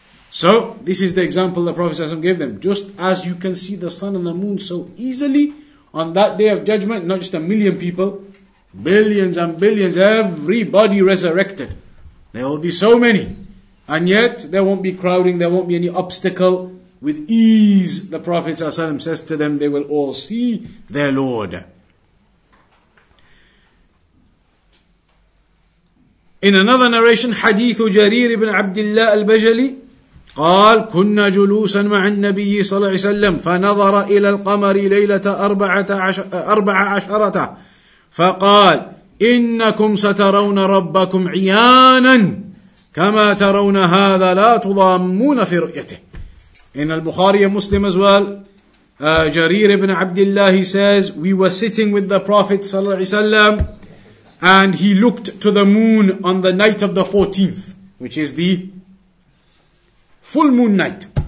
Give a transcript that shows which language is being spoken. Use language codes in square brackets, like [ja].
[en] So, this is the example the Prophet ﷺ gave them. Just as you can see the sun and the moon so easily, on that day of judgment, not just a million people, billions and billions, everybody resurrected. There will be so many. And yet, there won't be crowding, there won't be any obstacle. With ease, the Prophet ﷺ says to them, they will all see their Lord. In another narration, [ar] Hadith Jarir ibn Abdullah al-Bajali, قال كنا جلوسا مع النبي صلى الله عليه وسلم فنظر إلى القمر ليلة أربعة عشرة فقال إنكم سترون ربكم عيانا كما ترون هذا لا تضامون في رؤيته. [en] In Al-Bukhari and Muslim as well, Jarir ibn Abdullah says, we were sitting with the Prophet [ar] صلى الله عليه وسلم [en] and he looked to the moon on the night of the 14th, which is the full moon night.